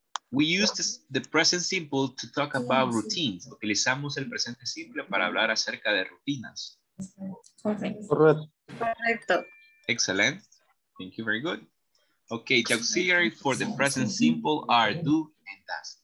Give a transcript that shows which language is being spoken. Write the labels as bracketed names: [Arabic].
[English] We use the present simple to talk about routines. [Spanish] Utilizamos el presente simple para hablar acerca de rutinas. [English] Correct. [Spanish] Correcto. [English] Excellent. Thank you, very good. Okay, the auxiliary for the present simple are do and does.